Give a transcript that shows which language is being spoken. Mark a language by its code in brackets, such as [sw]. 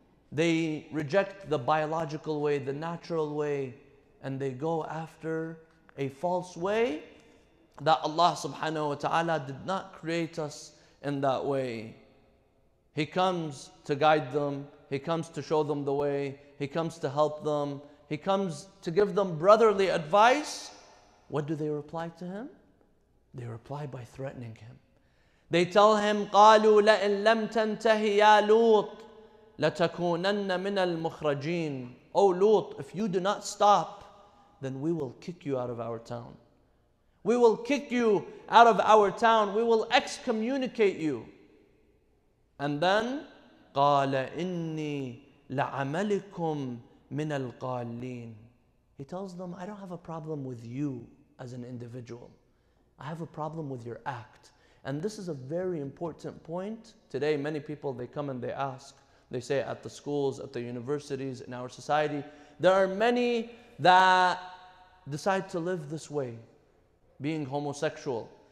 [en] They reject the biological way, the natural way, and they go after a false way that Allah subhanahu wa ta'ala did not create us in that way. He comes to guide them. He comes to show them the way. He comes to help them. He comes to give them brotherly advice. What do they reply to him? They reply by threatening him. They tell him, [ar] قَالُوا لَئِن لَمْ تَنْتَهِ يَا لُوطٍ لَتَكُونَنَّ مِنَ الْمُخْرَجِينَ. [en] Oh Lut, if you do not stop, then we will kick you out of our town. We will kick you out of our town. We will excommunicate you. And then, [ar] قَالَ إِنِّي لَعَمَلِكُمْ مِنَ الْقَالِينَ. [en] He tells them, I don't have a problem with you as an individual. I have a problem with your act. And this is a very important point. Today, many people, they come and they ask, they say at the schools, at the universities, in our society, there are many that decide to live this way, being homosexual.